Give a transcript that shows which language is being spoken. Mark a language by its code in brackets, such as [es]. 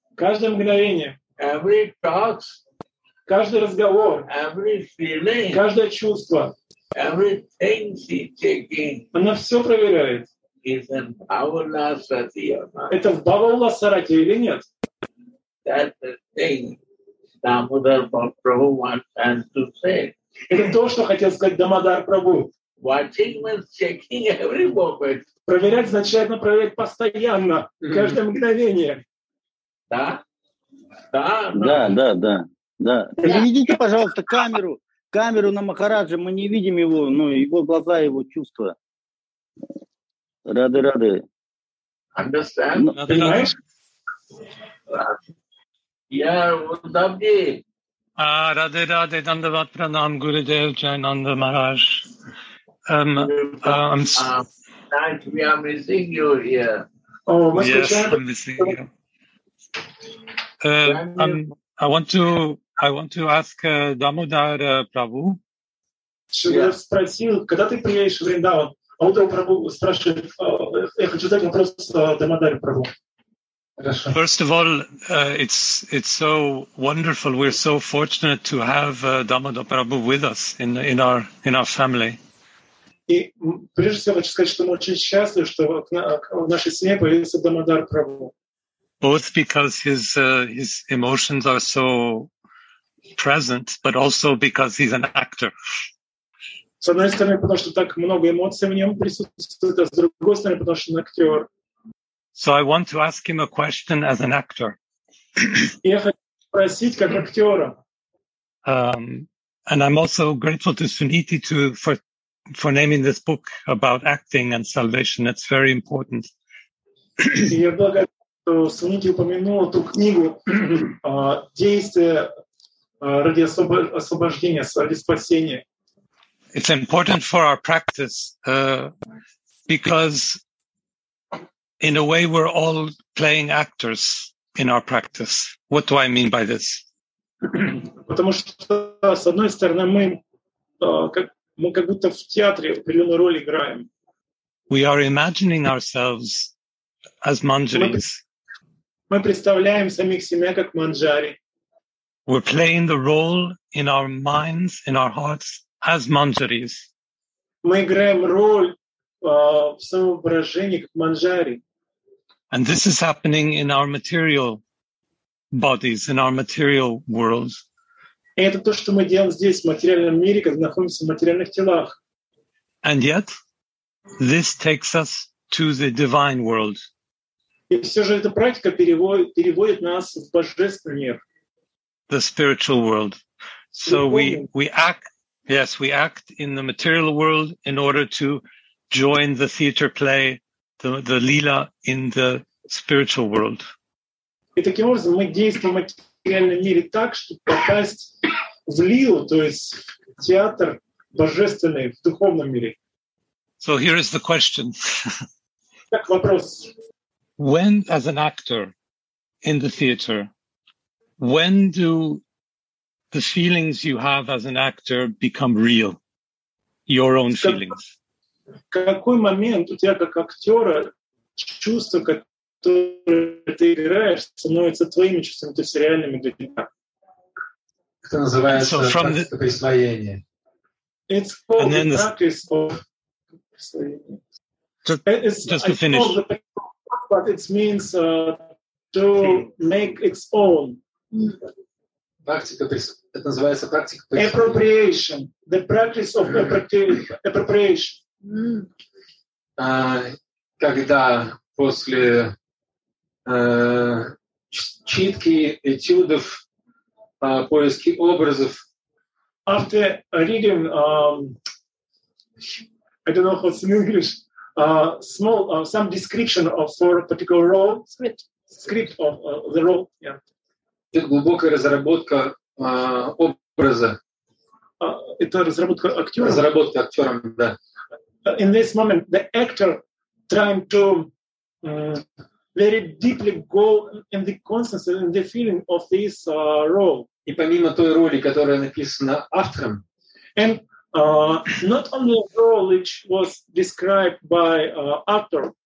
[ru] Каждое мгновение. [en] Every talks. [ru] Каждый разговор. [en] Every feeling. [ru] Каждое чувство. [en] Everything she taking. [ru] Она все проверяет. [en] Is in Bhavula Sati or not? [ru] Это в Бхавула Сарати или нет? [en] That's the thing Damodar Prabhu wants to say. [ru] Это то, что хотел сказать Дамодар Прабху. [en] Watching means checking every moment. [ru] Проверять означает проверять постоянно, каждое мгновение. Да? Да, но... да, да, да, да. Приведите, пожалуйста, камеру на Махараджа. Мы не видим его, ну, его глаза, его чувства. Рады. [en] Understand? [ru] Понимаешь? Я Удабди. Рады, Дандават Пранам, Гурудев, Джайнанда Махарадж. [en] We are missing you here. Oh, yes, I'm missing you. I want to ask Damodar Prabhu. [ru] Спросил, когда ты приедешь в Вриндаван? А вот Прабу спрашивает, я хочу задать вопрос Дамодар Прабу. [en] First of all, it's so wonderful. We're so fortunate to have Damodar Prabhu with us in our family. [ru] И прежде всего хочу сказать, что мы очень счастливы, что в нашей семье появился Дамодар Прабху. [en] Both because his emotions are so present, but also because he's an actor. [ru] С одной стороны, потому что так много эмоций в нем присутствует, а с другой стороны, потому что он актер. [en] So I want to ask him a question as an actor. [ru] Я хочу спросить как актера. [en] And I'm also grateful to Suniti for for naming this book about acting and salvation. It's very important. [ru] Я благодарю, что Суники упомянул эту книгу «Действия ради освобождения, ради спасения». [en] It's important for our practice because in a way we're all playing actors in our practice. What do I mean by this? [ru] Потому что, с одной стороны, мы как будто в театре определенную роль играем. [en] We are imagining ourselves as Manjaris. [ru] Мы представляем самих себя как Манджари. [en] We're playing the role in our minds, in our hearts, as Manjaris. [ru] Мы играем роль в самовоображении как Манджари. [en] And this is happening in our material bodies, in our material world. [ru] Это то, что мы делаем здесь, в материальном мире, когда находимся в материальных телах. [en] And yet, this takes us to the divine world. [ru] И все же эта практика переводит нас в божественный мир. [en] The spiritual world. So we act in the material world in order to join the theater play, the lila in the spiritual world. [ru] И таким образом мы действуем в материальном мире так, чтобы попасть в лилу, то есть театр божественный в духовном мире. [en] So here is the question. [ru] Так, вопрос. [en] When, as an actor in the theater, when do the feelings you have as an actor become real? Your own feelings. [ru] Какой момент у тебя как актера чувства, которые ты играешь, становятся твоими чувствами, то есть реальными для тебя? Это называется практика присвоения. [en] It's called the practice of присвоение. Just to finish. But it means to make its own. [ru] Это называется практика [en] присвоения. Appropriation. The practice of appropriation. [ru] Когда после читки этюдов поиски образов. [en] After reading, I don't know what's in English. Some description of for a particular role. Script of the role. Yeah. [ru] Это глубокая разработка образа. Это разработка актера. Разработка актера, да. [en] In this moment, the actor trying to very deeply go in the consciousness and in the feeling of this role. [ru] И помимо той роли, которая написана автором. [en] And not only a role which was described by actor.